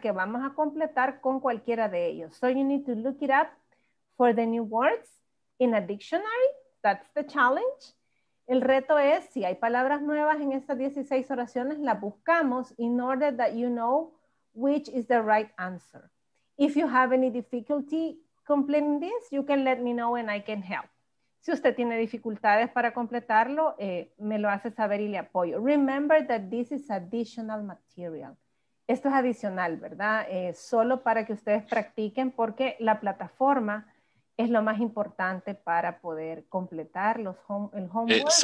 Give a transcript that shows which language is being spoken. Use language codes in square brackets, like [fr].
[es] Que vamos a completar con cualquiera de ellos. [en] So you need to look it up for the new words in a dictionary. That's the challenge. [es] El reto es, si hay palabras nuevas en estas 16 oraciones, las buscamos [en] in order that you know which is the right answer. If you have any difficulty completing this, you can let me know and I can help. [es] Si usted tiene dificultades para completarlo, me lo hace saber y le apoyo. [en] Remember that this is additional material. [es] Esto es adicional, ¿verdad? Solo para que ustedes practiquen porque la plataforma es lo más importante para poder completar los homework.